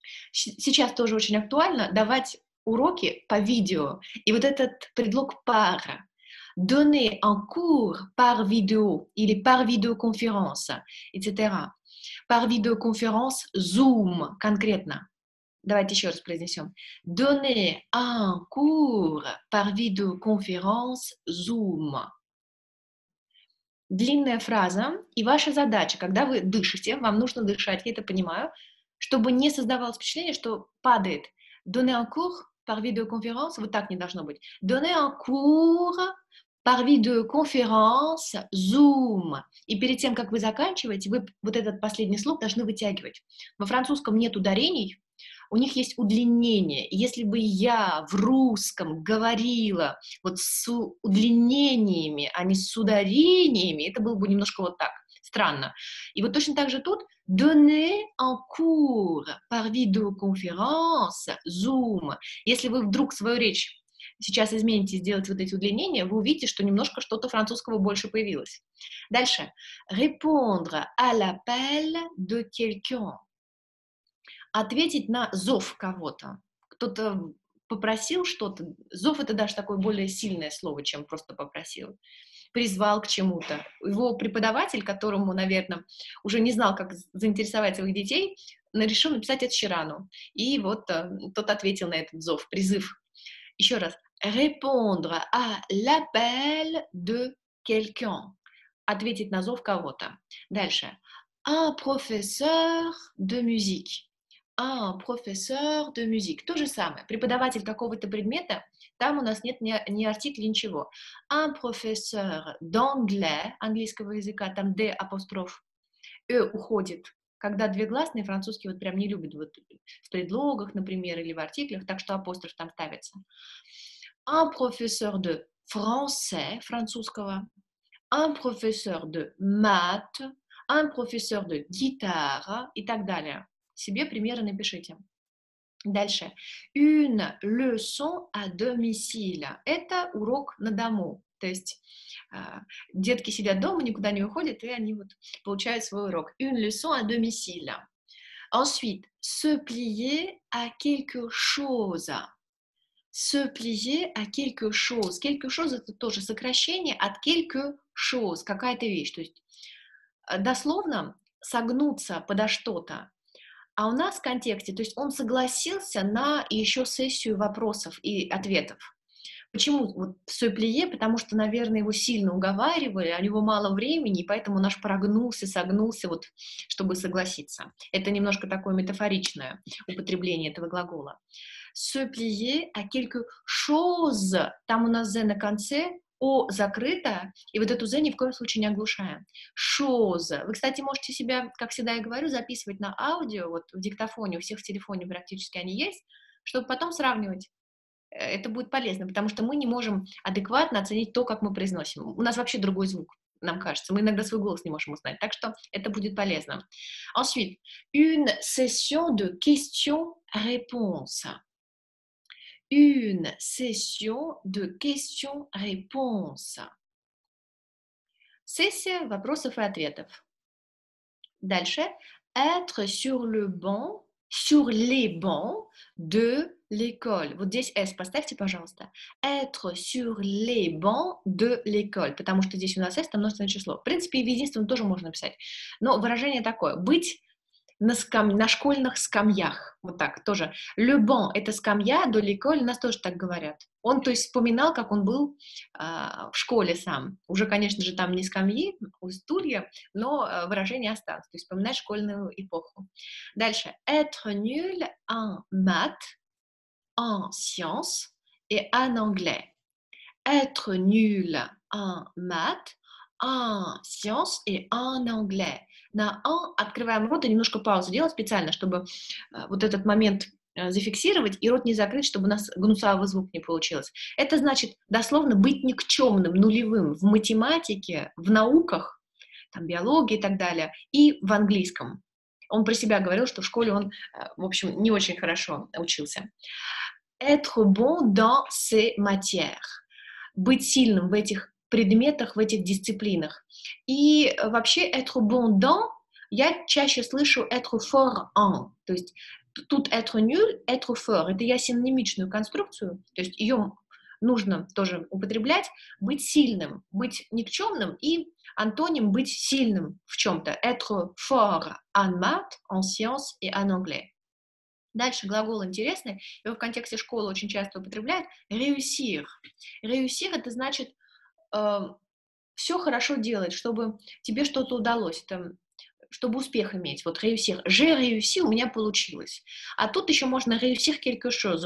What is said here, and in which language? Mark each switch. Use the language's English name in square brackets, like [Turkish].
[Russian] Сейчас тоже очень актуально давать уроки по видео, и вот этот предлог par, [French] donner un cours par vidéo, [Russian] или [French] par vidéoconférence, etc. [Russian] par видеоконференц Zoom конкретно. Давайте еще раз произнесем. [French] Donner un cours par видеоконференц Zoom. [Russian] Длинная фраза, и ваша задача, когда вы дышите, вам нужно дышать, я это понимаю, чтобы не создавалось впечатление, что падает. [French] Donner un cours par видеоконференц, [Russian] вот так не должно быть. [French] Donner un cours par видеоконференц Zoom. [Russian] И перед тем, как вы заканчиваете, вы вот этот последний слог должны вытягивать. Во французском нет ударений, у них есть удлинение. Если бы я в русском говорила вот с удлинениями, а не с ударениями, это было бы немножко вот так. Странно. И вот точно так же тут [French] «Donner un cours par [Russian] видеоконференц Zoom». Если вы вдруг свою речь сейчас измените, сделаете вот эти удлинения, вы увидите, что немножко что-то французского больше появилось. Дальше. [French] «Répondre à l'appel de quelqu'un». [Russian] Ответить на зов кого-то. Кто-то попросил что-то. Зов — это даже такое более сильное слово, чем просто попросил. Призвал к чему-то. Его преподаватель, которому, наверное, уже не знал, как заинтересовать своих детей, решил написать это Чирану. И вот тот ответил на этот зов, призыв. Еще раз. [French] Répondre à l'appel de quelqu'un. [Russian] Ответить на зов кого-то. Дальше. [French] Un professeur de musique. Un professeur de musique. [Russian] То же самое. Преподаватель какого-то предмета, там у нас нет ни артикля, ничего. [French] Un professeur d'anglais, [Russian] английского языка, там D апостроф, E уходит. Когда две гласные, французский вот прям не любит вот, в предлогах, например, или в артиклях, так что апостроф там ставится. [French] Un professeur de français, [Russian] французского. [French] Un professeur de maths. Un professeur de guitare. [Russian] И так далее. Себе примеры напишите. Дальше. [French] Une leçon à domicile. [Russian] Это урок на дому. То есть детки сидят дома, никуда не уходят, и они вот получают свой урок. [French] Une leçon à domicile. Ensuite, se plier à quelque chose. Se plier à quelque chose. [Russian] Quelque chose — это тоже сокращение от quelque chose. Какая-то вещь. То есть дословно согнуться подо что-то. А у нас в контексте, то есть он согласился на еще сессию вопросов и ответов. Почему вот в «Сойплие»? Потому что, наверное, его сильно уговаривали, а у него мало времени, и поэтому он аж прогнулся, согнулся, вот, чтобы согласиться. Это немножко такое метафоричное употребление этого глагола. «Сойплие», а «кельку шоз», там у нас «з» на конце, «о» закрыто, и вот эту «з» ни в коем случае не оглушаем. «Шоз». Вы, кстати, можете себя, как всегда я говорю, записывать на аудио, вот в диктофоне, у всех в телефоне практически они есть, чтобы потом сравнивать. Это будет полезно, потому что мы не можем адекватно оценить то, как мы произносим. У нас вообще другой звук, нам кажется. Мы иногда свой голос не можем узнать, так что это будет полезно. [French] Ensuite, une session de questions-réponses. Une session de questions-réponses. [Russian] Сессия вопросов и ответов. Дальше. [French] Être sur le banc, sur les bancs de l'école. [Russian] Вот здесь S поставьте, пожалуйста. [French] Être sur les bancs de l'école. [Russian] Потому что здесь у нас S, там множественное число. В принципе, в единственном тоже можно писать. Но выражение такое. Быть на школьных скамьях. Вот так тоже. Le banc — это скамья, [French] de l'école [Russian] — нас тоже так говорят. Он, то есть, вспоминал, как он был в школе сам. Уже, конечно же, там не скамьи, у стулья, но выражение осталось. То есть, вспоминать школьную эпоху. Дальше. [French] Être nul en maths, en sciences et en anglais. Être nul en maths, en sciences et en anglais. [Russian] На «ан» открываем рот и немножко паузу делаем специально, чтобы вот этот момент зафиксировать и рот не закрыть, чтобы у нас гнусавый звук не получилось. Это значит дословно быть никчемным, нулевым в математике, в науках, там, биологии и так далее, и в английском. Он про себя говорил, что в школе он, в общем, не очень хорошо учился. [French] «Être bon dans ces matières». [Russian] Быть сильным в этих предметах, в этих дисциплинах. И вообще [French] «être bon dans» [Russian] я чаще слышу [French] «être fort en». [Russian] То есть тут [French] «être nul», «être fort». [Russian] Это я синонимичную конструкцию, то есть ее нужно тоже употреблять, быть сильным, быть никчемным и антоним быть сильным в чем-то. [French] Être fort en maths, en sciences et en anglais. [Russian] Дальше глагол интересный, его в контексте школы очень часто употребляют. [French] Réussir. [Russian] Réussir — это значит все хорошо делать, чтобы тебе что-то удалось, там, чтобы успех иметь. Вот réussir. [French] J'ai réussi, [Russian] у меня получилось. А тут еще можно [French] réussir quelque chose.